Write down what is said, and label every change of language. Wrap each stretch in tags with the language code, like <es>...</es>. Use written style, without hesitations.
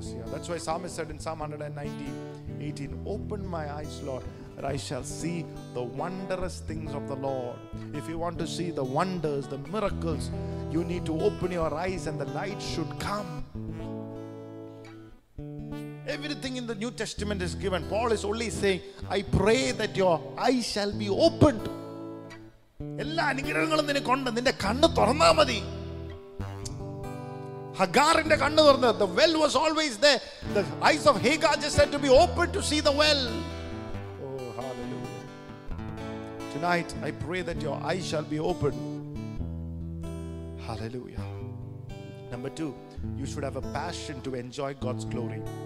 <en>That's why Psalmist said in Psalm 119:18, open my eyes, Lord, that I shall see the wondrous things of the Lord. If you want to see the wonders, the miracles, you need to open your eyes and the light should come. Everything in the New Testament is given. Paul is only saying, I pray that your eyes shall be opened.</en> <ml>എല്ലാ അനുഗ്രഹങ്ങളും നിനക്ക് ഉണ്ട്, നിന്റെ കണ്ണ് തുറന്നാ മതി. ഹഗാറിന്റെ കണ്ണ് തുറന്നു.</ml> <en>The well was always there. The eyes of Hagar just had to be opened to see the well. Oh, hallelujah. Tonight, I pray that your eyes shall be opened. Hallelujah. Number two, you should have a passion to enjoy God's glory.</en>